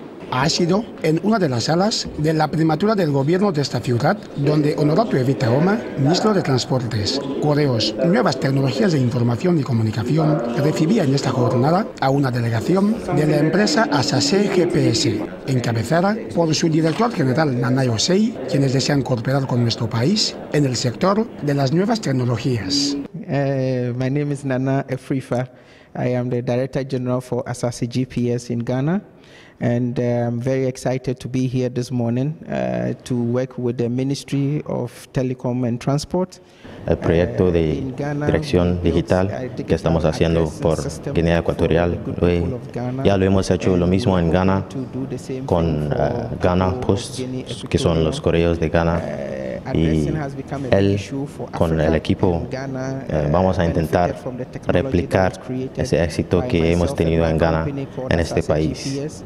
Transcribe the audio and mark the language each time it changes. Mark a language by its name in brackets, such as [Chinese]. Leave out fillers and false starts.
[Spanish] Ha sido en una de las salas de la primatura del gobierno de esta ciudad, donde Honorato Evita Oma, ministro de Transportes, Correos, Nuevas Tecnologías de Información y Comunicación, recibía en esta jornada a una delegación de la empresa Asase GPS, encabezada por su director general Nanay Osei, quienes desean cooperar con nuestro país en el sector de las nuevas tecnologías. [English] My name is Nana Efrifa. I am the director general for Asase GPS in Ghana. And I'm very excited to be here this morning to work with the Ministry of Telecom and Transport. [Spanish] El proyecto de dirección digital que estamos haciendo por Guinea Ecuatorial, ya lo hemos hecho lo mismo en Ghana con Ghana Post, que son los correos de Ghana. Y él, con el equipo, vamos a intentar replicar ese éxito que hemos tenido en Ghana, en este país.